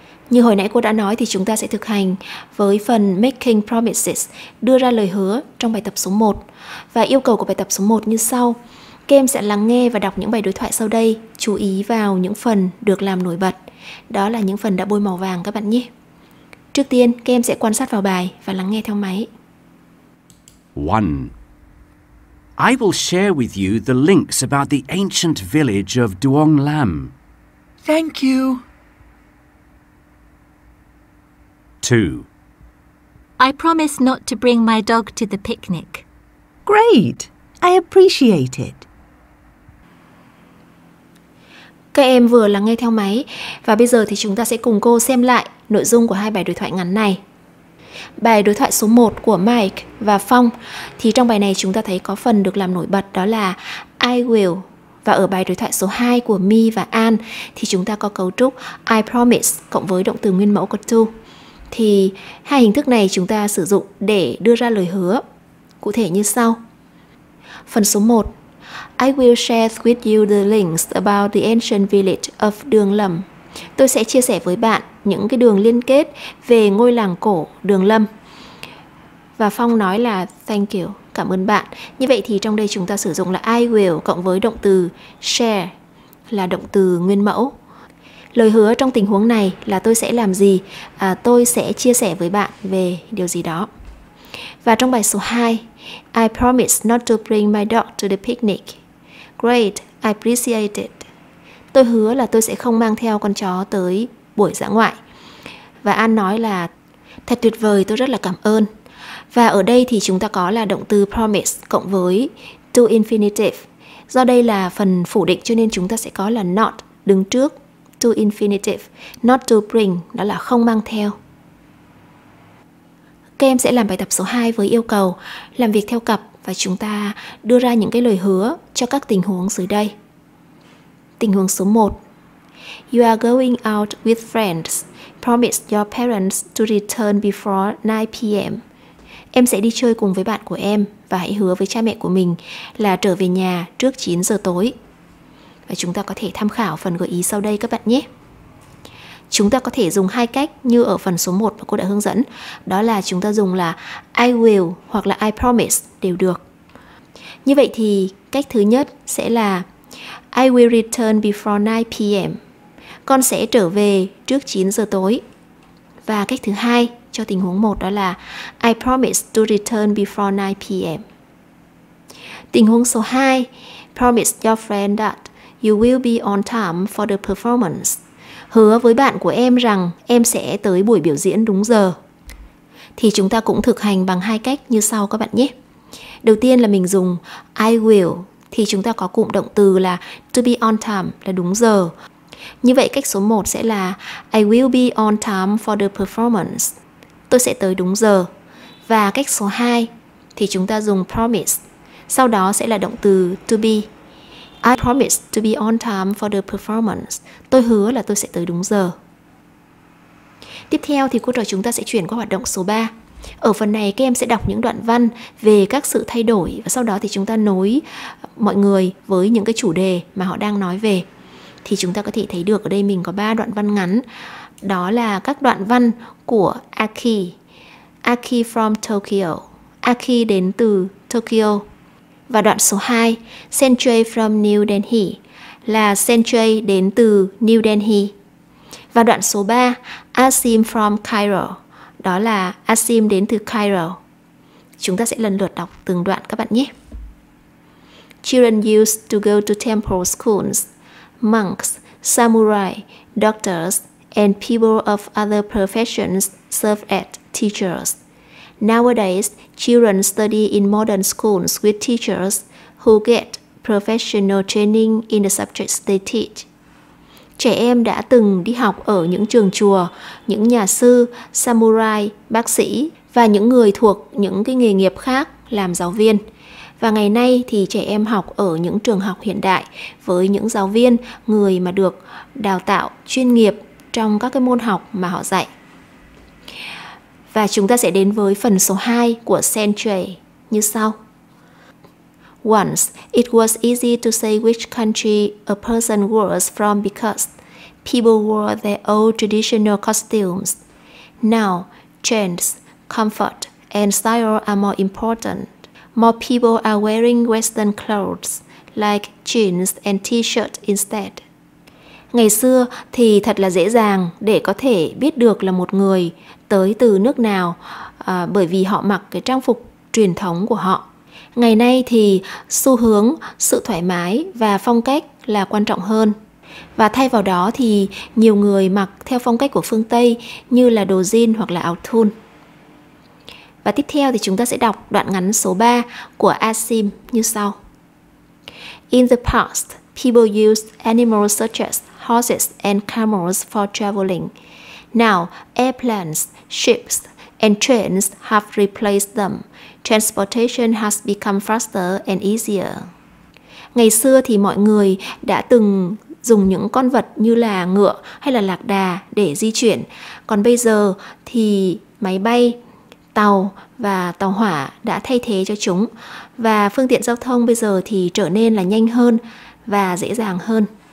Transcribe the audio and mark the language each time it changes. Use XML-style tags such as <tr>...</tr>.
<vi>Như hồi nãy cô đã nói thì chúng ta sẽ thực hành với phần</vi> <en>making promises,</en> <vi>đưa ra lời hứa trong bài tập số 1. Và yêu cầu của bài tập số 1 như sau. Các em sẽ lắng nghe và đọc những bài đối thoại sau đây, chú ý vào những phần được làm nổi bật. Đó là những phần đã bôi màu vàng các bạn nhé. Trước tiên, các em sẽ quan sát vào bài và lắng nghe theo máy.</vi> <en>1. I will share with you the links about the ancient village of Duong Lam. Thank you. 2. I promise not to bring my dog to the picnic. Great. I appreciate it.</en> <vi>Các em vừa lắng nghe theo máy và bây giờ thì chúng ta sẽ cùng cô xem lại nội dung của hai bài đối thoại ngắn này. Bài đối thoại số 1 của Mike và Phong thì trong bài này chúng ta thấy có phần được làm nổi bật đó là</vi> <en>I will.</en> <vi>Và ở bài đối thoại số 2 của Mi và An thì chúng ta có cấu trúc</vi> <en>I promise</en> <vi>cộng với động từ nguyên mẫu có do. Thì hai hình thức này chúng ta sử dụng để đưa ra lời hứa. Cụ thể như sau. Phần số 1.</vi> <en>I will share with you the links about the ancient village of Duong Lam.</en> <vi>Tôi sẽ chia sẻ với bạn những cái đường liên kết về ngôi làng cổ Duong Lam. Và Phong nói là</vi> <en>thank you,</en> <vi>cảm ơn bạn. Như vậy thì trong đây chúng ta sử dụng là</vi> <en>I will</en> <vi>cộng với động từ share là động từ nguyên mẫu. Lời hứa trong tình huống này là tôi sẽ làm gì? Tôi sẽ chia sẻ với bạn về điều gì đó. Và trong bài số 2,</vi> <en>I promise not to bring my dog to the picnic. Great, I appreciate it.</en> <vi>Tôi hứa là tôi sẽ không mang theo con chó tới buổi dã ngoại. Và An nói là thật tuyệt vời, tôi rất là cảm ơn. Và ở đây thì chúng ta có là động từ promise cộng với to infinitive. Do đây là phần phủ định cho nên chúng ta sẽ có là not đứng trước to infinitive.</vi> <en>Not to bring,</en> <vi>đó là không mang theo. Các em sẽ làm bài tập số 2 với yêu cầu làm việc theo cặp và chúng ta đưa ra những cái lời hứa cho các tình huống dưới đây. Tình huống số 1.</vi> <en>You are going out with friends. Promise your parents to return before 9 p.m.</en> <vi>Em sẽ đi chơi cùng với bạn của em và hãy hứa với cha mẹ của mình là trở về nhà trước 9 giờ tối. Và chúng ta có thể tham khảo phần gợi ý sau đây các bạn nhé. Chúng ta có thể dùng hai cách như ở phần số 1 mà cô đã hướng dẫn. Đó là chúng ta dùng là</vi> <en>I will</en> <vi>hoặc là</vi> <en>I promise</en> <vi>đều được. Như vậy thì cách thứ nhất sẽ là</vi> <en>I will return before 9 p.m.</en> <vi>Con sẽ trở về trước 9 giờ tối. Và cách thứ hai cho tình huống 1 đó là</vi> <en>I promise to return before 9 p.m.</en> <vi>Tình huống số 2,</vi> <en>promise your friend that you will be on time for the performance.</en> <vi>hứa với bạn của em rằng em sẽ tới buổi biểu diễn đúng giờ. Thì chúng ta cũng thực hành bằng hai cách như sau các bạn nhé. Đầu tiên là mình dùng</vi> <en>I will,</en> <vi>thì chúng ta có cụm động từ là</vi> <en>to be on time,</en> <vi>là đúng giờ. Như vậy cách số 1 sẽ là</vi> <en>I will be on time for the performance.</en> <vi>Tôi sẽ tới đúng giờ. Và cách số 2 thì chúng ta dùng promise, sau đó sẽ là động từ to be.</vi> <en>I promise to be on time for the performance.</en> <vi>Tôi hứa là tôi sẽ tới đúng giờ. Tiếp theo thì cô trò chúng ta sẽ chuyển qua hoạt động số 3. Ở phần này các em sẽ đọc những đoạn văn về các sự thay đổi và sau đó thì chúng ta nối mọi người với những cái chủ đề mà họ đang nói về. Thì chúng ta có thể thấy được ở đây mình có 3 đoạn văn ngắn. Đó là các đoạn văn của Aki.</vi> <en>Aki from Tokyo.</en> <vi>Aki đến từ Tokyo. Và đoạn số 2,</vi> <en>Sensei from New Delhi,</en> <vi>là Sensei đến từ New Delhi. Và đoạn số 3,</vi> <en>Asim from Cairo,</en> <vi>đó là Asim đến từ Cairo. Chúng ta sẽ lần lượt đọc từng đoạn các bạn nhé.</vi> <en>Children used to go to temple schools, monks, samurai, doctors, and people of other professions served as teachers. Nowadays, children study in modern schools with teachers who get professional training in the subjects they teach.</en> <vi>Trẻ em đã từng đi học ở những trường chùa, những nhà sư, samurai, bác sĩ và những người thuộc những cái nghề nghiệp khác làm giáo viên. Và ngày nay thì trẻ em học ở những trường học hiện đại với những giáo viên, người mà được đào tạo chuyên nghiệp trong các cái môn học mà họ dạy. Và chúng ta sẽ đến với phần số 2 của Century như sau.</vi> <en>Once, it was easy to say which country a person was from because people wore their old traditional costumes. Now, trends, comfort, and style are more important. More people are wearing Western clothes like jeans and t-shirt instead.</en> <vi>Ngày xưa thì thật là dễ dàng để có thể biết được là một người tới từ nước nào bởi vì họ mặc cái trang phục truyền thống của họ. Ngày nay thì xu hướng, sự thoải mái và phong cách là quan trọng hơn. Và thay vào đó thì nhiều người mặc theo phong cách của phương Tây như là đồ jean hoặc là áo thun. Và tiếp theo thì chúng ta sẽ đọc đoạn ngắn số 3 của Asim như sau.</vi> <en>In the past, people used animals such as horses and camels for traveling. Now, airplanes, ships, and trains have replaced them. Transportation has become faster and easier.</en> <vi>Ngày xưa thì mọi người đã từng dùng những con vật như là ngựa hay là lạc đà để di chuyển. Còn bây giờ thì máy bay, tàu và tàu hỏa đã thay thế cho chúng. Và phương tiện giao thông bây giờ thì trở nên là nhanh hơn và dễ dàng hơn.</vi>